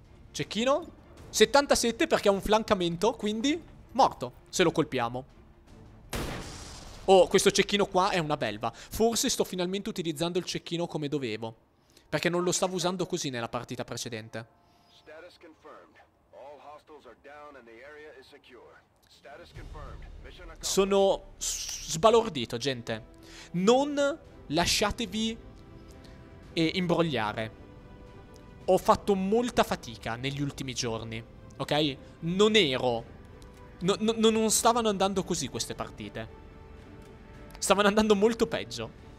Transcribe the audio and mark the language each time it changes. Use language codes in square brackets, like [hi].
[it] Cecchino 77 perché ha un flancamento, quindi morto se lo colpiamo. Oh, questo cecchino qua è una belva. Forse sto finalmente utilizzando il cecchino come dovevo, perché non lo stavo usando così nella partita precedente. [en] Status confirmed. All hostiles are down and the area is secure. Status confirmed. Mission accomplished. [it] Sono sbalordito, gente. Non lasciatevi imbrogliare. Ho fatto molta fatica negli ultimi giorni, ok? Non ero... Non stavano andando così queste partite. Stavano andando molto peggio.